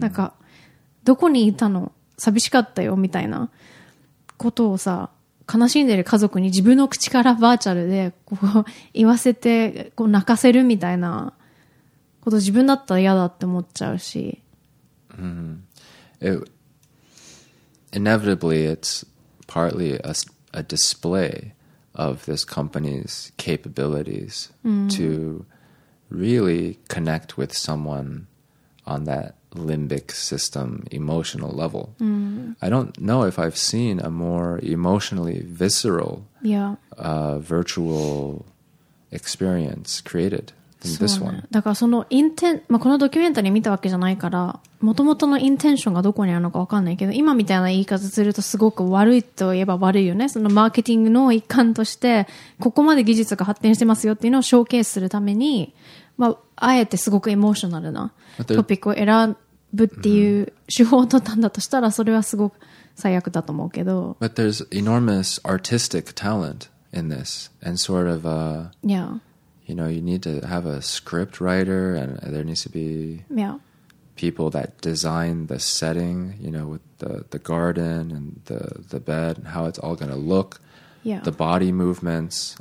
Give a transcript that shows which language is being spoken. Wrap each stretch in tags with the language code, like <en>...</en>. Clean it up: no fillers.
<ja>なんかどこにいたの寂しかったよみたいなことをさ、悲しんでる家族に自分の口からバーチャルでこう言わせてこう泣かせるみたいなこと自分だったら嫌だって思っちゃうし。 Mm-hmm.</ja> <en>inevitably it's partly a display of this company's capabilities to really connect with someone on that limbic system emotional level. I don't know if I've seen a more emotionally visceral virtual experience created than this one.</en> <ja>だからそのインテン、まあ、このドキュメンタリー見たわけじゃないから元々のインテンションがどこにあるのか分かんないけど、今みたいな言い方するとすごく悪いといえば悪いよね。そのマーケティングの一環としてここまで技術が発展してますよっていうのをショーケースするために、まあ、あえてすごくエモーショナルなトピックを選ぶっていう手法を取ったんだとしたら、それはすごく最悪だと思うけど。</ja> <en>But there's enormous artistic talent in this, and sort of a, yeah. you know, you need to have a script writer, and there needs to be people that design the setting, you know, with the garden and the bed and how it's all going to look, the body movements.</en>